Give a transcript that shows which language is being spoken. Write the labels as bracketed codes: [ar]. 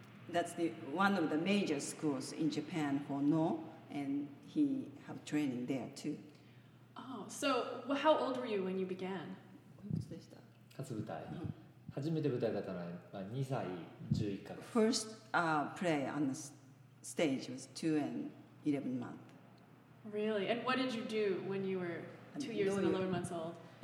[en] That's the one of the major schools in Japan for no, and he have training there too. Oh, so how old were you when you began? [ja] 初舞台、初めて舞台だったのは2歳11ヶ月。 [en] First play on the stage was 2 and 11 months. Really? And what did you do when you were 2 years and 11 months old?